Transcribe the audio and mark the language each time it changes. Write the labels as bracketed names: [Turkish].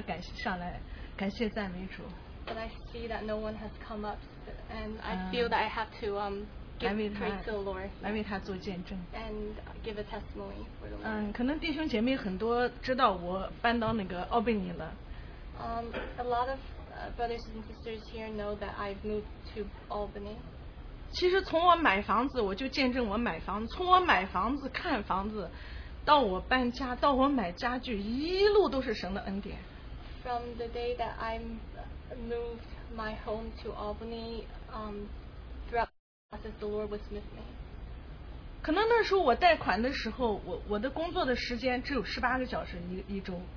[Chinese] 但是我看到没有人上来，我怕这个时间耽误了，我还觉得我要赶上来感谢赞美主。 [English] But I see that no one has come up, and I feel that I have to give praise to the Lord. [Chinese] 来为他做见证。 [English] And give a testimony for the Lord. [Chinese] 可能弟兄姐妹很多知道我搬到那个奥贝尼了。 [English] A lot of brothers and sisters here know that I've moved to Albany. [Chinese] 其实从我买房子，我就见证我买房子、看房子，到我搬家，到我买家具，一路都是神的恩典。 [English] From the day that I moved my home to Albany, throughout the process, the Lord was with me. [Chinese] 可能那时候我贷款的时候，我的工作的时间只有18个小时一周。